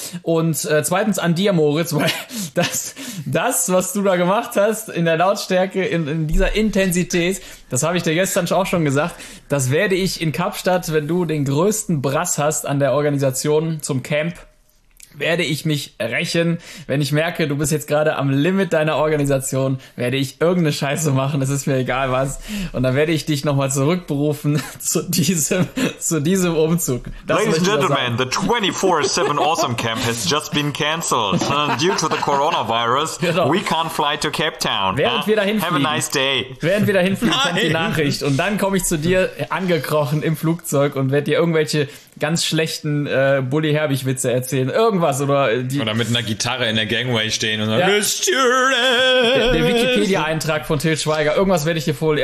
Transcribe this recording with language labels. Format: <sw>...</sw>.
<de>Und zweitens an dir, Moritz, weil das, was du da gemacht hast, in der Lautstärke, in dieser Intensität, das habe ich dir gestern auch schon gesagt, das werde ich in Kapstadt, wenn du den größten Brass hast an der Organisation zum Camp, werde ich mich rächen. Wenn ich merke, du bist jetzt gerade am Limit deiner Organisation, werde ich irgendeine Scheiße machen, es ist mir egal was. Und dann werde ich dich nochmal zurückberufen zu diesem Umzug.</de> <en>Das Ladies and Gentlemen, the 24/7 Awesome Camp has just been cancelled. Due to the coronavirus, we can't fly to Cape Town.</en> <de>Während wir dahin fliegen.</de> <en>Have a nice day.</en> <de>Während wir dahin fliegen, kommt die Nachricht. Und dann komme ich zu dir angekrochen im Flugzeug und werde dir irgendwelche ganz schlechten Bully-Herbig-Witze erzählen. Irgendwas. Oder mit einer Gitarre in der Gangway stehen und sagen, Der Wikipedia-Eintrag von Til Schweiger. Irgendwas werde ich dir vorlesen.</de>